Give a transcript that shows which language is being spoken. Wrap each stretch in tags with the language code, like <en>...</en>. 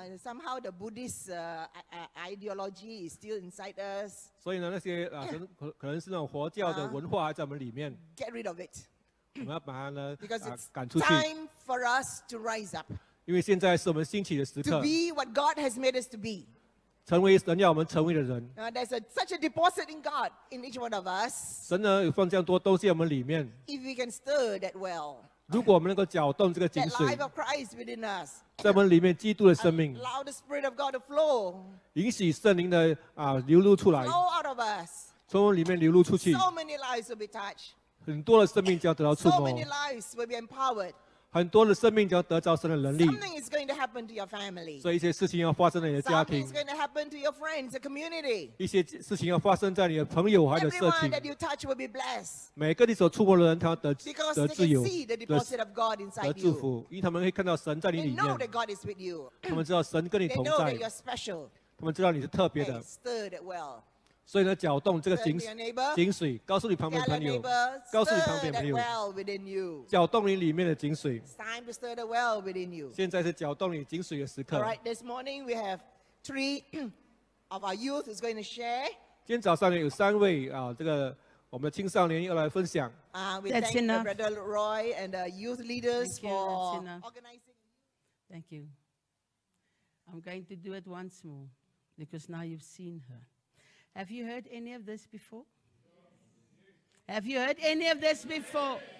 <en>Somehow the Buddhist ideology is still inside us.</en> <zh>所以呢，那些可能是那种佛教的文化还在我们里面。</zh> <en>Get rid of it.</en> <zh>我们要把它呢</zh> <en>Because it's time for us to rise up.</en> <zh>因为现在是我们兴起的时刻。</zh> <en>To be what God has made us to be.</en> <zh>成为神要我们成为的人。</zh> <en>There's such a deposit in God in each one of us.</en> <zh>神呢有放这样多东西在我们里面。</zh> <en>If we can stir that well.</en> <zh>如果我们能够搅动这个井水,</zh> <en>that life of Christ within us,</en> <zh>在我们里面基督的生命,</zh> <en>allow the Spirit of God to flow,</en> <zh>允许圣灵的, 流露出来,</zh> <en>flow out of us,</en> <zh>从我们里面流露出去,</zh> <en>so many lives will be touched,</en> <zh>很多的生命将得到触摸,</zh> <en>so many lives will be empowered,</en> <zh>很多的生命将得到神的能力,</zh> <en>something is going to happen to your family,</en> <zh>所以一些事情要发生在你的家庭,</zh> <en>something is going to happen to your friends, the community,</en> <zh>一些事情要发生在你的朋友还有社区,</zh> <en>everyone that you touch will be blessed,</en> <zh>每个你所触摸的人他得自由,</zh> <en>because they can see the deposit of God inside you,</en> <zh>得祝福, 因为他们会看到神在你里面,</zh> <en>they know that God is with you,</en> <zh>他们知道神跟你同在,</zh> <en>they know that you're special,</en> <zh>他们知道你是特别的,</zh> <en>hey, stir it well,</en> <zh>所以呢，搅动这个井水，告诉你旁边朋友，</zh> <en>neighbor,</en> <zh>告诉你旁边朋友，</zh> <en>well、within you.</en> <zh>搅动你里面的井水。</zh> <en>It's time to stir the well within you.</en> <zh>现在是搅动你井水的时刻。</zh> <en>All right, this morning we have three of our youth is going to share.</en> <zh>今天早上呢有三位, 这个我们的青少年要来分享。</zh> <en>We thank the Brother Roy and the youth leaders for organizing. Thank you. I'm going to do it once more because now you've seen her. Have you heard any of this before? Have you heard any of this before?</en>